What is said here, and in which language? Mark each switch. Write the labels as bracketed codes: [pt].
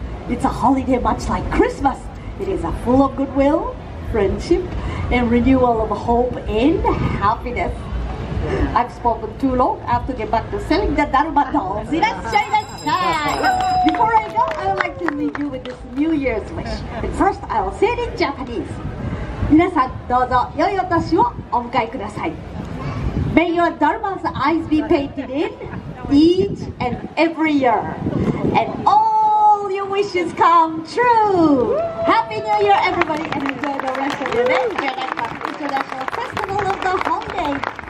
[en] It's a holiday much like Christmas. It is a full of goodwill, friendship, and renewal of hope and happiness. I've spoken too long. I have to get back to selling the Daruma dolls. [ja] Irasshai, irasshai! [en] Before I go, I would like to leave you with this New Year's wish. But first, I will say it in Japanese. [ja] 皆さん、どうぞ良いお年をお迎えください。 [en] May your Daruma's eyes be painted in each and every year. And all your wishes come true. Happy New Year, everybody, and enjoy the rest of your day. Here at the International Festival of the Holiday.